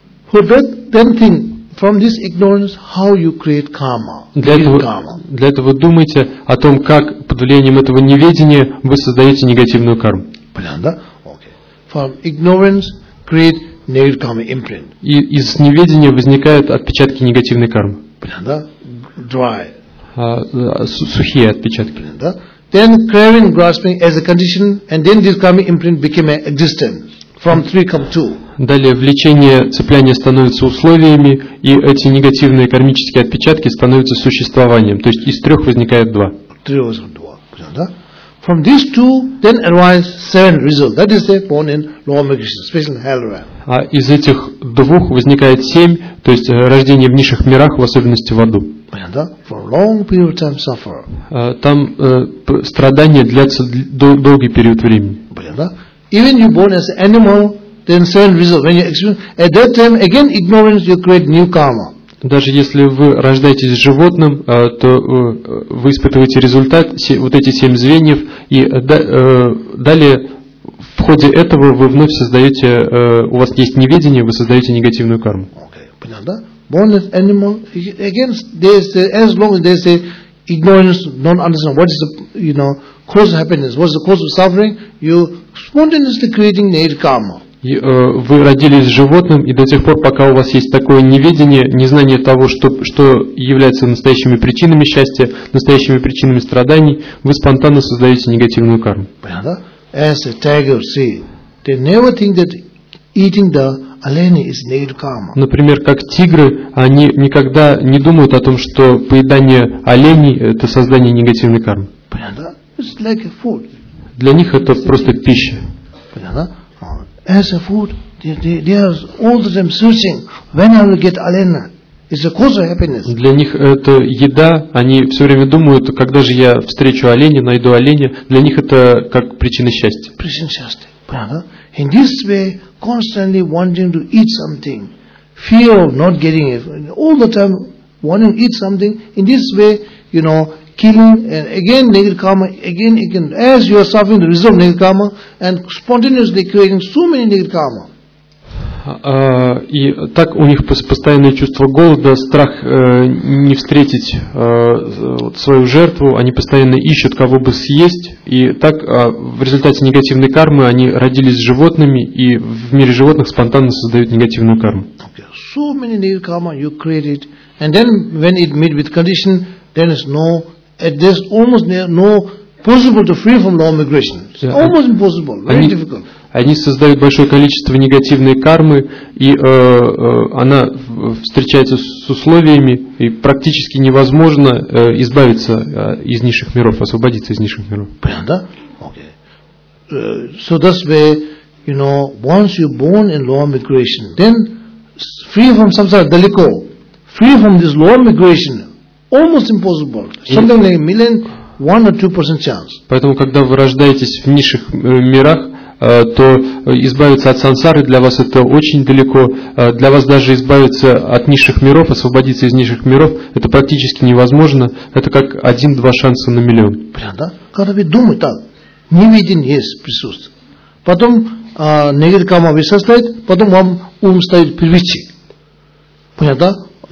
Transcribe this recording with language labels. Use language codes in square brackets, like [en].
[en] For that, then think, from this ignorance, how you create karma. [ru] Для этого думайте о том, как под влиянием этого неведения вы создаете негативную карму. Понятно, да? [en] Okay. From ignorance create negative karma imprint. [ru] И из неведения возникают отпечатки негативной кармы. Понятно, да? [en] Dry. [ru] Сухие отпечатки. Понятно, да? [en] Then craving grasping as a condition, and then this karma imprint became an existence. From three come two. [ru] Далее влечение, цепляние становятся условиями, и эти негативные кармические отпечатки становятся существованием. То есть из трех возникает два. [en] Three was two. [ru] Понятно, да? [en] From these two, then arise seven results. That is, born in lower migration, especially in hell realm. [ru] А из этих двух возникает семь, то есть рождение в низших мирах, в особенности в аду. Понятно? [en] For a long period of time suffer. [ru] Там страдания длятся долгий период времени. Понятно? [en] Even you born as animal, then seven results. When you experience at that time again ignorance, you create new karma. [ru] Даже если вы рождаетесь животным, то вы испытываете результат, вот эти семь звеньев, и далее в ходе этого вы вновь создаете, у вас есть неведение, вы создаете негативную карму. [en] Okay. [ru] Понятно, да? [en] Born as animal, again, they say, as long as they say ignorance, non-understanding, what is the, you know, cause of happiness, what is the cause of suffering, you spontaneously creating negative karma. [ru] Вы родились животным, и до тех пор, пока у вас есть такое неведение, незнание того, что является настоящими причинами счастья, настоящими причинами страданий, вы спонтанно создаете негативную карму. Понятно? [en] As a tiger, see, they never think that eating the aleni is negative karma. [ru] Например, как тигры, они никогда не думают о том, что поедание оленей – это создание негативной кармы. Понятно? [en] It's like a food. [ru] Для них это просто пища. Понятно? [en] As a food, they are all the time searching when I will get alena. It's a cause of happiness. [ru] Для них это еда. Они все время думают, когда же я встречу оленя, найду оленя. Для них это как причина счастья. Причина счастья. Понятно? [en] In this way, constantly wanting to eat something, fear of not getting it, all the time wanting to eat something. In this way, you know, killing, and again negative karma, again, again, as you are suffering the result of negative karma, and spontaneously creating so many negative karma. [ru] И так у них постоянное чувство голода, страх не встретить свою жертву, они постоянно ищут, кого бы съесть, и так в результате негативной кармы они родились животными, и в мире животных спонтанно создают негативную карму. [en] Okay. So many negative karma you created, and then when it meet with condition, then it's no, there's almost no possible to free from normal aggression. It's almost impossible, very difficult. [ru] Они создают большое количество негативной кармы, и она встречается с условиями, и практически невозможно избавиться из низших миров, освободиться из низших миров. Понятно, да? [en] Okay. So that's where, you know, once you're born in lower migration, then free from samsara, далеко, free from this lower migration, almost impossible, something like a million, 1 or 2% chance. [ru] Поэтому, когда вы рождаетесь в низших мирах, то избавиться от сансары для вас это очень далеко. Для вас даже избавиться от низших миров, освободиться из низших миров, это практически невозможно. Это как 1-2 шанса на миллион. Прямо, да? Когда вы думаете так, не виден есть присутствие. Потом негатив карма вы составите, потом вам ум ставит привычки. Понятно, да?